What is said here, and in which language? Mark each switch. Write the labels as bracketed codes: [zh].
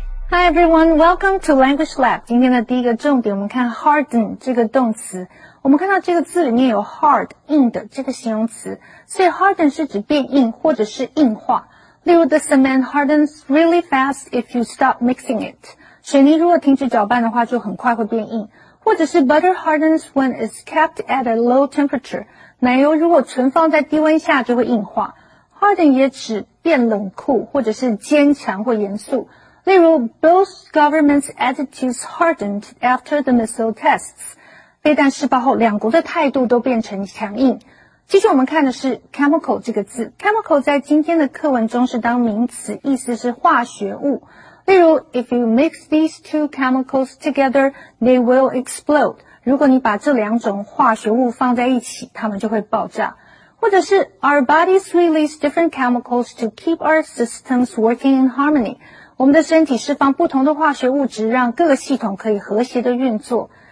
[en] Hi everyone, welcome to Language Lab. [zh] 今天的第一个重点，我们看 harden 这个动词。我们看到这个字里面有 hard 硬的这个形容词，所以 harden 是指变硬或者是硬化。例如 [en] the cement hardens really fast if you stop mixing it. [zh] 水泥如果停止搅拌的话，就很快会变硬。或者是 [en] butter hardens when it's kept at a low temperature. [zh] 奶油如果存放在低温下就会硬化。 harden 也指变冷酷或者是坚强或严肃。例如 [en] both governments' attitudes hardened after the missile tests. [zh] 飞弹试爆后两国的态度都变成强硬。继续我们看的是 chemical 这个字。chemical 在今天的课文中是当名词，意思是化学物。例如 [en] if you mix these two chemicals together, they will explode. [zh] 如果你把这两种化学物放在一起，它们就会爆炸。或者是 [en] our bodies release different chemicals to keep our systems working in harmony. [zh] 我们的身体释放不同的化学物质，让各个系统可以和谐的运作。